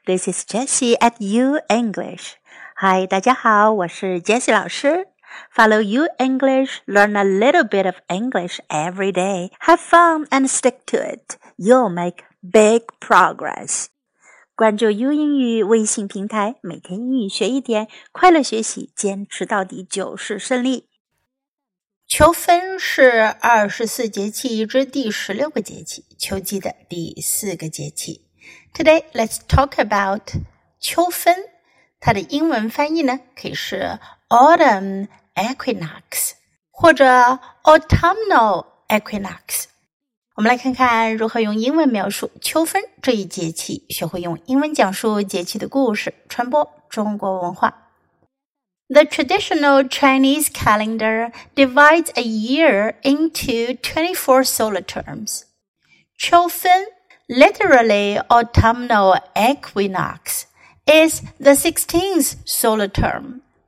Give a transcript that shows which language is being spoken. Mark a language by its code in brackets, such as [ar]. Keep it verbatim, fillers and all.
[en] This is Jessie at U English. [zh] Hi, 大家好，我是 Jessie 老师。 [en] Follow U English, learn a little bit of English every day. Have fun and stick to it. You'll make big progress. [zh] 关注 U 英语微信平台，每天英语学一点，快乐学习，坚持到底就是胜利。秋分是二十四节气之第十六个节气，秋季的第四个节气。 [en] Today, let's talk about [zh] 秋分。它的英文翻译呢，可以是 Autumn Equinox 或者 Autumnal Equinox。我们来看看如何用英文描述秋分这一节气，学会用英文讲述节气的故事，传播中国文化。 [en] The traditional Chinese calendar divides a year into twenty-four solar terms. 秋分, literally autumnal equinox, is the sixteenth solar term.